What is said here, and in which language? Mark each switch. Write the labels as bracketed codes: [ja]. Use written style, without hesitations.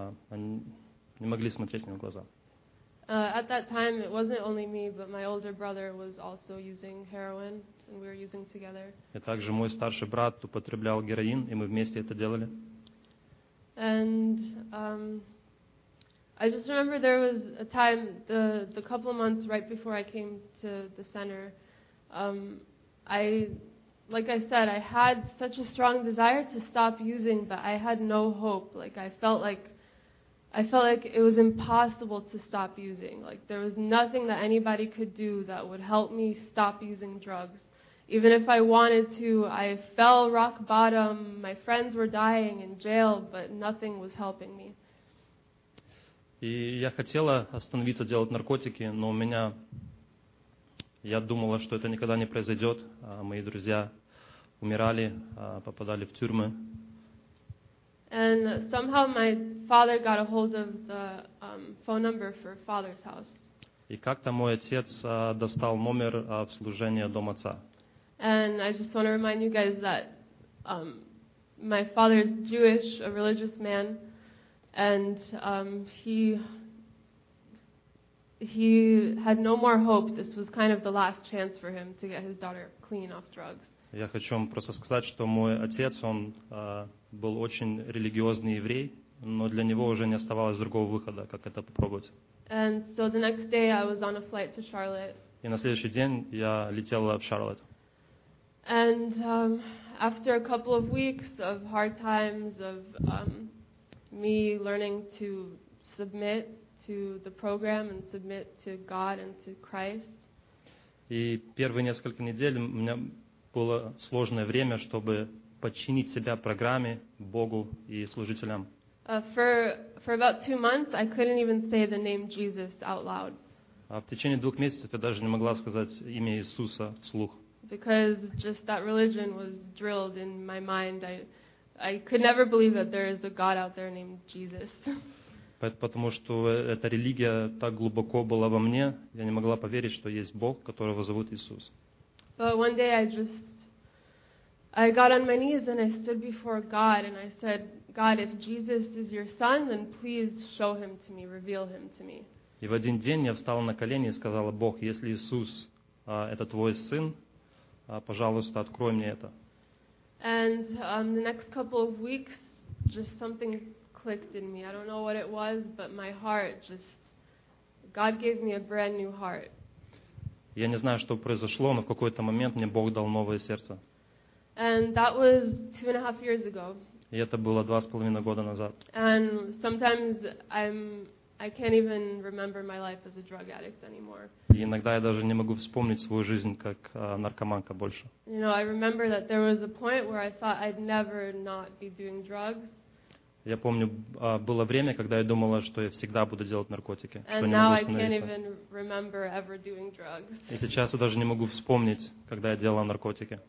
[ru] Они не могли смотреть мне в глаза. [en] At that time, it wasn't only me, but my older brother was also using heroin, and we were using together. [ru] И также мой старший брат употреблял героин, и мы вместе это делали. [en] And I just remember there was a time, the couple of months right before I came to the center, I had such a strong desire to stop using, but I had no hope. Like, I felt like it was impossible to stop using. Like, there was nothing that anybody could do that would help me stop using drugs. Even if I wanted to, I fell rock bottom. My friends were dying in jail, but nothing was helping me. [ru] И я хотела остановиться делать наркотики, но у меня, я думала, что это никогда не произойдет. Мои друзья умирали, попадали в тюрьмы. [en] And somehow my father got a hold of the phone number for father's house. [ru] И как-то мой отец достал номер в служение дома отца. [en] And I just want to remind you guys that my father is Jewish, a religious man. And he had no more hope. This was kind of the last chance for him to get his daughter clean off drugs. [ru] Я хочу вам просто сказать, что мой отец, он был очень религиозный еврей, но для него уже не оставалось другого выхода, как это попробовать. [en] And so the next day I was on a flight to Charlotte. [ru] И на следующий день я летела в Шарлотт. [en] And after a couple of weeks of hard times of me learning to submit to the program and submit to God and to Christ. [ru] И первые несколько недель у меня было сложное время, чтобы подчинить себя программе, Богу и служителям. [en] For about 2 months, I couldn't even say the name Jesus out loud. [ru] В течение 2 месяцев я даже не могла сказать имя Иисуса вслух. [en] Because just that religion was drilled in my mind. I could never believe that there is a God out there named Jesus. [ru] Потому что эта религия так глубоко была во мне, я не могла поверить, что есть Бог, которого зовут Иисус. [en] But one day I got on my knees and I stood before God and I said, God, if Jesus is your son, then please show him to me, reveal him to me. [ru] И в один день я встала на колени и сказала, Бог, если Иисус это твой сын, пожалуйста, открой мне это. [en] And the next couple of weeks, just something clicked in me. I don't know what it was, but my heart just... God gave me a brand new heart. [ru] Я не знаю, что произошло, но в какой-то момент мне Бог дал новое сердце. [en] And that was 2.5 years ago. [ru] И это было 2.5 года назад. [en] And sometimes I can't even remember my life as a drug addict anymore. [ru] И иногда я даже не могу вспомнить свою жизнь как наркоманка больше. [en] You know, I remember that there was a point where I thought I'd never not be doing drugs. [ru] Я помню, было время, когда я думала, что я всегда буду делать наркотики. [en] And now I can't even remember ever doing drugs. [ru] И сейчас я даже не могу вспомнить, когда я делала наркотики.